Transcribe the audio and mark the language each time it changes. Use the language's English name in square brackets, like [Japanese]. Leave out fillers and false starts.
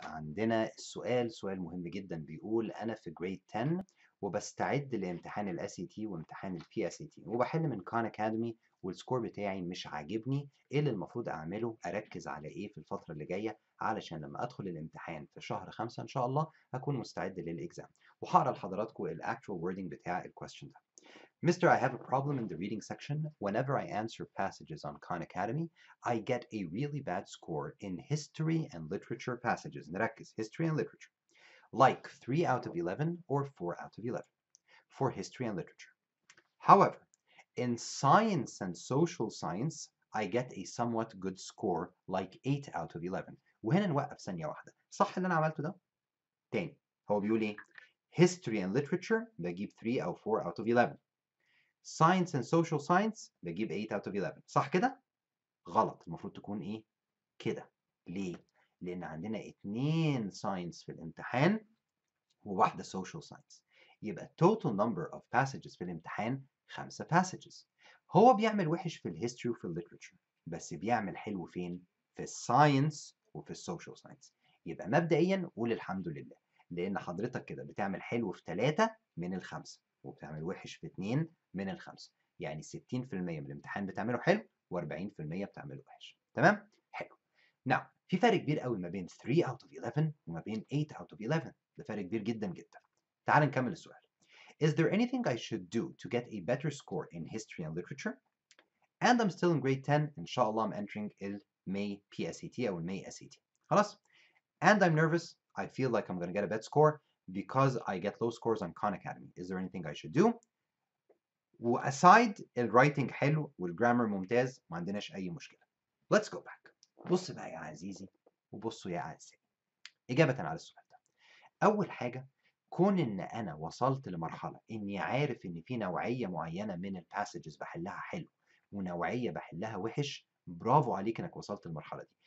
[Arabic] عندنا السؤال سؤال مهم جدا بيقول أنا في grade 10 وبستعد لامتحان الـ SAT وامتحان الـ PSAT وبحل من Khan Academy والسكور بتاعي مش عاجبني، إيه اللي المفروض أعمله؟ أركز على إيه في الفترة اللي جاية علشان لما أدخل الامتحان في شهر 5 إن شاء الله أكون مستعد للإكزام؟ وهقرأ لحضراتكم الـ [English] actual wording [Arabic] بتاع الـ question ده. [English] Mr. I have a problem in the reading section. Whenever I answer passages on Khan Academy, I get a really bad score in history and literature passages. [Arabic] نركز [English] history and literature. Like 3 out of 11 or 4 out of 11 for history and literature. However, in science and social science, I get a somewhat good score, like 8 out of 11. [Arabic] وهنا نوقف ثانية واحدة. صح اللي أنا عملته ده؟ تاني. هو بيقول إيه؟ [English] History and literature, [Arabic] بجيب 3 أو 4 [English] out of 11. Science and social science, [Arabic] بجيب [English] 8 out of 11. [Arabic] صح كده؟ غلط. المفروض تكون إيه؟ كده. ليه؟ لأن عندنا 2 science في الامتحان وواحدة social science. يبقى total number of passages في الامتحان 5 passages. هو بيعمل وحش في الهيستوري وفي الليترتشر، بس بيعمل حلو فين؟ في الساينس وفي السوشيال ساينس. يبقى مبدئيا قول الحمد لله، لان حضرتك كده بتعمل حلو في 3 من الخمسه، وبتعمل وحش في 2 من الخمسه، يعني 60% من الامتحان بتعمله حلو و40% بتعمله وحش. تمام؟ حلو. Now في فرق كبير قوي ما بين [English] 3 out of 11 [Arabic] وما بين [English] 8 out of 11، [Arabic] ده فرق كبير جدا جدا. تعال نكمل السؤال. [English] Is there anything I should do to get a better score in history and literature? And I'm still in grade 10. Inshallah, I'm entering the May PSAT or May SAT. [Arabic] خلاص. [English] And I'm nervous. I feel like I'm going to get a bad score because I get low scores on Khan Academy. Is there anything I should do? Aside the writing [Arabic] حلو والgrammar ممتاز ما عندناش أي مشكلة. [English] Let's go back. [Arabic] بص بقى يا عزيزي وبصوا يا عزيزي. إجابة على السؤال ده. أول حاجة كون ان انا وصلت لمرحلة اني عارف ان في نوعية معينة من الباسجز بحلها حلو ونوعية بحلها وحش، برافو عليك انك وصلت للمرحلة دي.